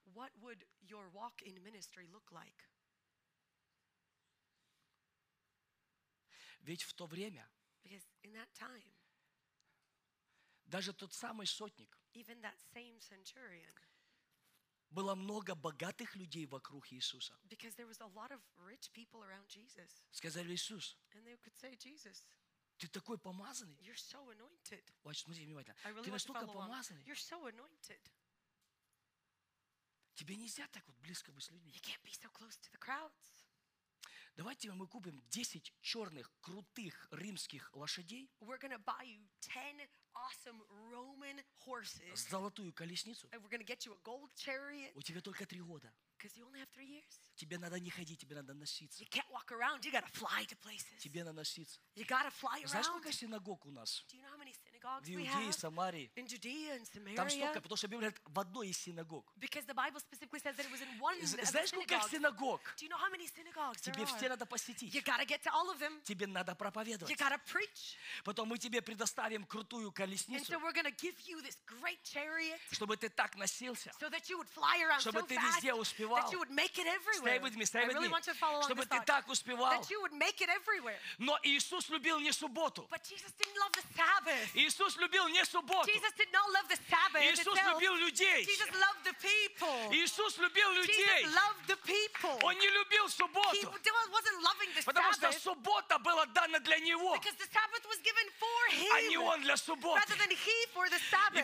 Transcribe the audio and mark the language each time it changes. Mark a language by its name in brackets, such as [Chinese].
[English] What would your walk in ministry look like? [Russian] Ведь в то время [English] Because in that time, [Russian] даже тот самый сотник [English] even that same centurion, [Russian] было много богатых людей вокруг Иисуса. [English] Because there was a lot of rich people around Jesus. [Russian] Сказали Иисус. [English] And they could say, Jesus. [Russian] Ты такой помазанный. [English] You're so anointed. Watch, [Russian] смотри внимательно. [English] I really [Russian] ты настолько помазанный. [English] You're so anointed. [Russian] Тебе нельзя так вот близко быть с людьми. [English] You can't be so close to the crowds. [Russian] Давайте мы купим 10 черных, крутых римских лошадей. [English] We're going to buy you 10 awesome Roman horses. [Russian] Золотую колесницу. [English] And we're going to get you a gold chariot. [Russian] У тебя только 3 года. [English] Because you only have 3 years. [Russian] Тебе надо не ходить, тебе надо носиться. [English] You can't walk around, you got to fly to places. [Russian] Тебе надо носиться. [English] You got to fly around. [Russian] Знаешь, сколько синагог у нас? [English] Do you know how many synagogues we have? [Russian] В Иудее, Самарии. [English] In Judea and Samaria. [Russian] Там столько, потому что Библия говорит, в одной из синагог. [English] Because the Bible specifically says that it was in one of the synagogues. [Russian] Знаешь, сколько синагог? [English] Do you know how many synagogues there are? [Russian] Тебе все надо посетить. [English] You got to get to all of them. [Russian] Тебе надо проповедовать. [English] You got to preach. [Russian] Потом мы тебе предоставим крутую колесницу. [English] And so we're going to give you this great chariot. [Russian] Чтобы ты так носился. [English] So that you would fly around so fast. [Russian] Чтобы ты везде успел. [English] That you would make it everywhere. Stay with me, stay with me. I really want you to follow along this thought. That you would make it everywhere. [Russian] Но Иисус любил не субботу. [English] But Jesus didn't love the Sabbath. [Russian] Иисус любил не субботу. [English] Jesus did not love the Sabbath. [Russian] Иисус любил людей. [English] Jesus loved the people. [Russian] Иисус любил людей. [English] Jesus loved the people. [Russian] Он не любил субботу. [English] He wasn't loving the Sabbath. [Russian] Потому что суббота была дана для него. [English] Because the Sabbath was given for him. [Russian] А не он для субботы. [English] Rather than he for the Sabbath.